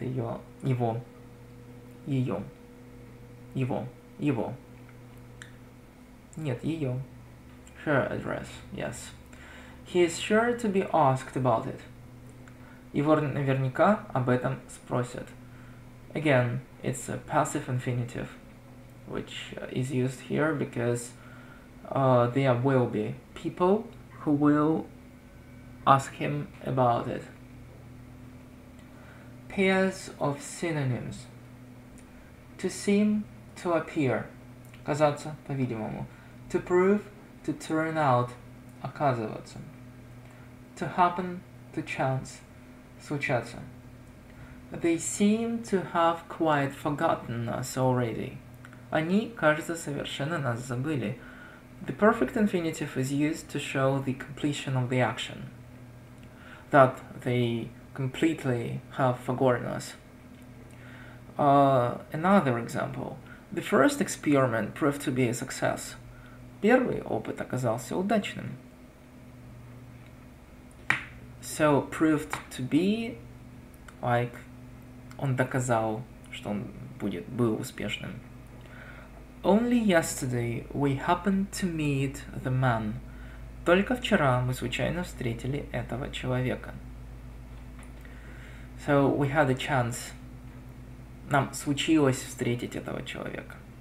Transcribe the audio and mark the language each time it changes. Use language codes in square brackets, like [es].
[en] her address, yes. He is sure to be asked about it. [ru] Его наверняка об этом спросят. [en] Again, it's a passive infinitive, which is used here because there will be people who will ask him about it. Pairs of synonyms. To seem, to appear. [ru] Казаться, по-видимому. [en] To prove, to turn out. [ru] Оказываться. [en] To happen, to chance. [ru] Случаться. [en] They seem to have quite forgotten us already. [ru] Они, кажется, совершенно нас забыли. [en] The perfect infinitive is used to show the completion of the action. That they completely have forgotten us. Another example. The first experiment proved to be a success. [ru] Первый опыт оказался удачным. [en] So, proved to be, like, [ru] он доказал, что он будет, был успешным. [en] Only yesterday we happened to meet the man. [ru] Только вчера мы случайно встретили этого человека. [en] So, we had a chance. [ru] Нам случилось встретить этого человека.